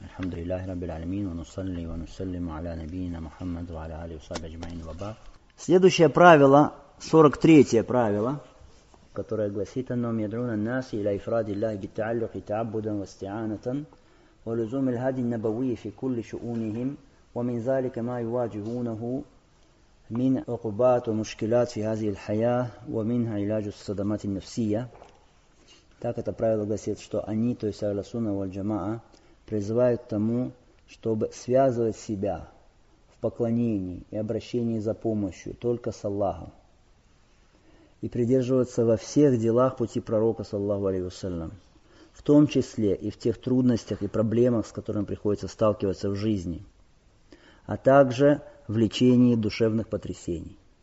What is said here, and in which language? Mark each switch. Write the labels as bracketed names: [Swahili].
[Arabic] الحمد لله رب العالمين، ونصلي ونسلم على نبينا محمد وعلى آله وصحبه أجمعين، وبعد. [Russian] Следующее правило, 43-е правило, которое гласит: [Arabic] أنهم يدعون الناس إلى إفراد الله بالتعلق تعبدا واستعانة ولزوم الهدي النبوي في كل شؤونهم، ومن ذلك ما يواجهونه من عقوبات ومشكلات في هذه الحياة، ومنها علاج الصدمات النفسية. [Russian] Так это правило гласит, что они, то есть Аль-Сунна валь-Джамаа, призывают к тому, чтобы связывать себя в поклонении и обращении за помощью только с Аллахом и придерживаться во всех делах пути пророка, саллаху алейхи вассалям, в том числе и в тех трудностях и проблемах, с которыми приходится сталкиваться в жизни, а также в лечении душевных потрясений.